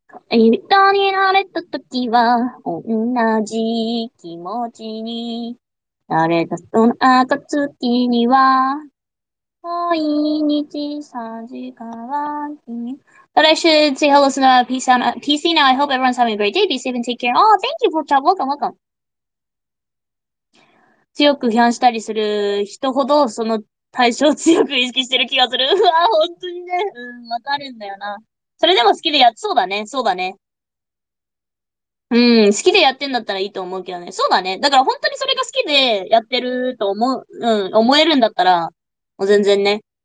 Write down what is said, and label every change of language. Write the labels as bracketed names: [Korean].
[Japanese] 恋人になれた時は同じ気持ちになれた、その暁には毎日3時間は君。 [English] But I should say hello to the PC on PC now. I hope everyone's having a great day. Be safe and take care. Oh, thank you for chat. Welcome, welcome. [Japanese] 強く批判したりする人ほど、その対象を強く意識してる気がする。うわ、本当にね。うん、わかるんだよな。それでも好きでやって、そうだね。うん、好きでやってんだったらいいと思うけどね。そうだね。だから本当にそれが好きでやってると思えるんだったら、もう全然ね。